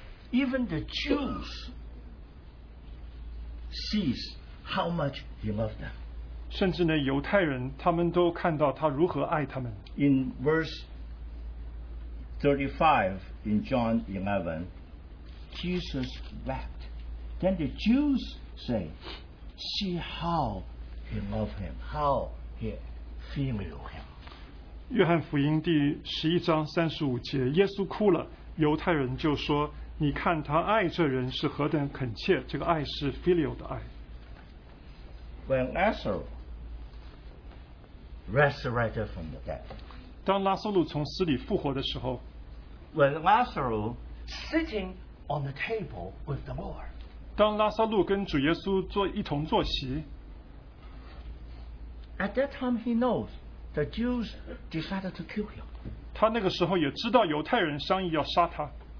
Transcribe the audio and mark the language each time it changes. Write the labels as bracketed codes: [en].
[en] ，even the Jews sees how much he loved them. [zh] 甚至呢犹太人他们都看到他如何爱他们。 [en] In verse 35 in John 11, Jesus wept. Then the Jews say, see how he loved him, how he feared him. [zh] 约翰福音第十一章三十五节，耶稣哭了，犹太人就说，你看他爱这人是何等恳切，这个爱是 filial 的爱。 [en] When Lazarus resurrected from the dead, [zh] 当拉撒路从死里复活的时候 [en] ，When Lazarus sitting on the table with the Lord, [zh] 当拉撒路跟主耶稣坐一同坐席 [en] ，At that time he knows the Jews decided to kill him. [zh] 他那个时候也知道犹太人商议要杀他。